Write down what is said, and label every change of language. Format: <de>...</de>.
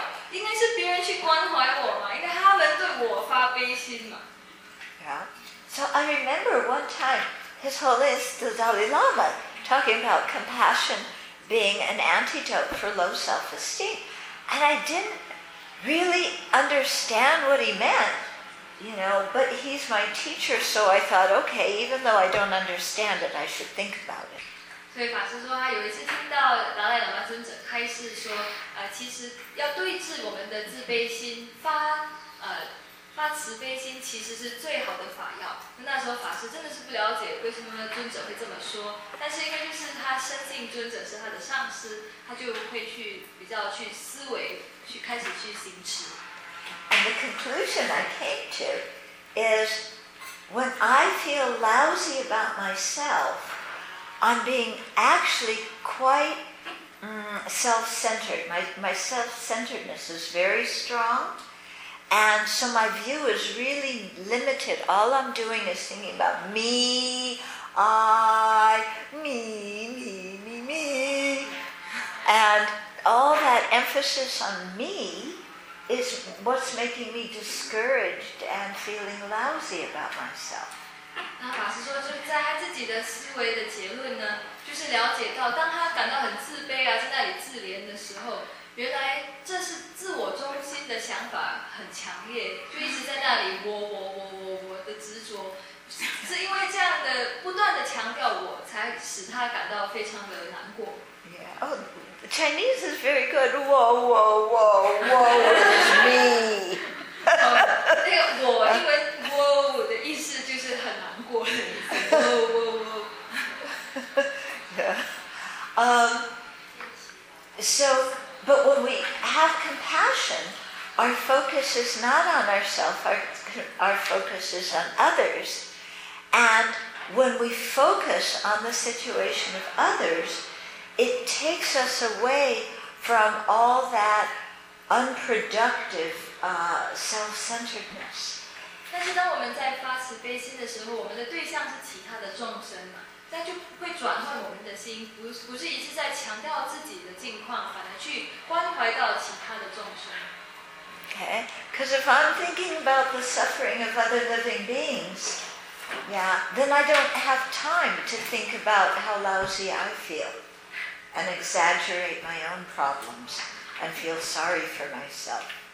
<zh>应该是别人去关怀我嘛，应该他们对我发悲心嘛。</zh> <en>Yeah. So I remember one time His Holiness the Dalai Lama talking about compassion being an antidote for low self-esteem, and I didn't really understand what he meant, you know. But he's my teacher, so I thought, okay, even though I don't understand it, I should think about it.</en> <zh>所以法师说，他有一次听到达赖喇嘛尊者开示说，其实要对治我们的自卑心，发慈悲心其实是最好的法药。那时候法师真的是不了解为什么尊者会这么说，但是因为就是他深信尊者是他的上师，他就会去比较去思维，去开始去行持。</zh> <en>And the conclusion I came to is when I feel lousy about myself, I'm being actually quite self-centered. My self-centeredness is very strong. And so my view is really limited. All I'm doing is thinking about me, I, me, me, me, me. And all that emphasis on me is what's making me discouraged and feeling lousy about myself.</en> <zh>那法师说，就在他自己的思维的结论呢，就是了解到，当他感到很自卑啊，在那里自怜的时候，原来这是自我中心的想法很强烈，就一直在那里我的执着，是因为这样的不断的强调我，才使他感到非常的难过。</zh> <en>Yeah, oh, Chinese is very good. 我 is me.</en> <zh>那个我，因为我的意思就是很难过的意思。我</zh> <en>Yeah. So. But when we have compassion, our focus is not on ourselves, our focus is on others. And when we focus on the situation of others, it takes us away from all that unproductive self-centeredness.</en> <zh>但是当我们在发慈悲心的时候，我们的对象是其他的众生嘛。那就会转换我们的心，不是一直在强调自己的境况，反而去关怀到其他的众生。</zh> <en>Okay, because if I'm thinking about the suffering of other living beings, yeah, then I don't have time to think about how lousy I feel and exaggerate my own problems and feel sorry for myself.</en>